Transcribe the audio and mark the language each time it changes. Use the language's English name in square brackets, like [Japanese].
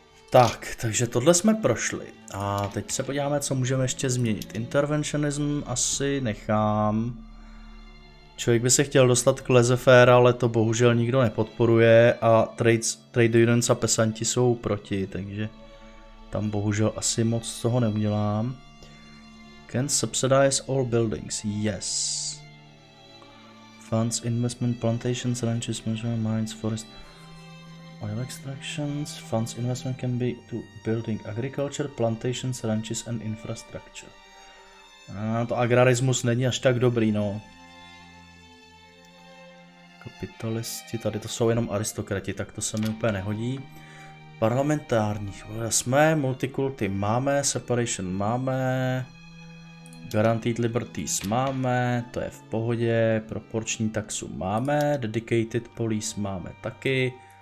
[Czech] Tak, takže tohle jsme prošli. A teď se podíváme, co můžeme ještě změnit. Interventionism asi nechám. Člověk by se chtěl dostat k Lezefére, ale to bohužel nikdo nepodporuje a trade unions a pesanti jsou proti, takže tam bohužel asi moc toho neudělám. [English] Can subsidize all buildings? Yes. Funds, investment, plantations, ranches, measure, mines, forest, oil extractions. Funds, investment can be to building agriculture, plantations, ranches and infrastructure. [Czech] A to agrarismus není až tak dobrý, no. Kapitalisti, tady to jsou jenom aristokrati, tak to se mi úplně nehodí. Parlamentární, jsme, multikulty máme, separation máme, guaranteed liberties máme, to je v pohodě, proporční taxu máme, dedicated police máme taky.